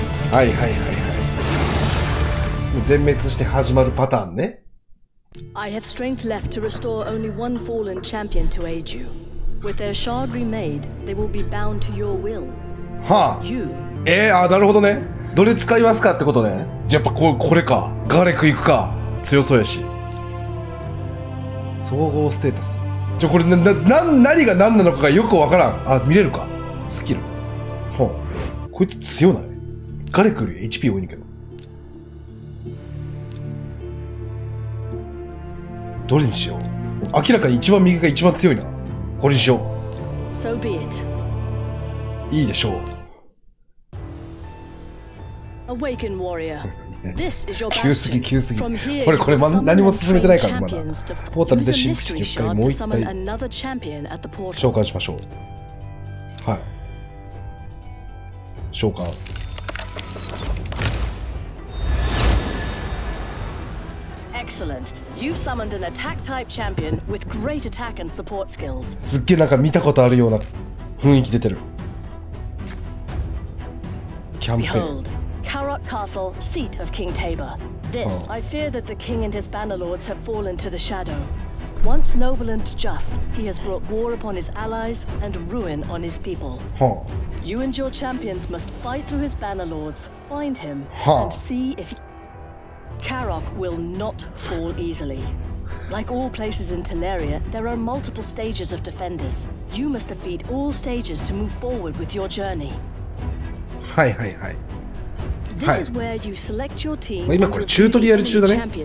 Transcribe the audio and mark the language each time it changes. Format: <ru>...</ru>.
<ja>はいはいはいはい。全滅して始まるパターンね。</ja> <en>I have strength left to restore only one fallen champion to aid you. With their shard remade, they will be bound to your will.</en> <ja>はあ。あ、なるほどね。どれ使いますかってことね。やっぱこれか。ガーレック行くか。強そうやし。総合ステータス。じゃこれ何が何なのかがよくわからん。あ、見れるか。スキル。ほん。こいつ強ない。ガーレックより HP 多いんけど。どれにしよう。明らかに一番右が一番強いな。これにしよう。</ja> <en>So be it.</en> <ja>いいでしょう。</ja> <en>Awaken, warrior. This is your bastion.</en> <ja>急すぎ。これ何も進めてないからまだ。ポータルで神秘的に一回もう一回召喚しましょう。はい。召喚。</ja> <en>Excellent. You've summoned an attack type champion with great attack and support skills.</en> <ja>すっげえなんか見たことあるような雰囲気出てる。キャンペーン。</ja> <en>Karak Castle, seat of King Tabor. This, I fear that the king and his banner lords have fallen to the shadow. Once noble and just, he has brought war upon his allies and ruin on his people. You and your champions must fight through his banner lords, find him, and see if Karak will not fall easily. Like all places in Teleria, there are multiple stages of defenders. You must defeat all stages to move forward with your journey. Hi, hi, hi.</en> <ja>はい、今これチュートリアル中だね。</ja>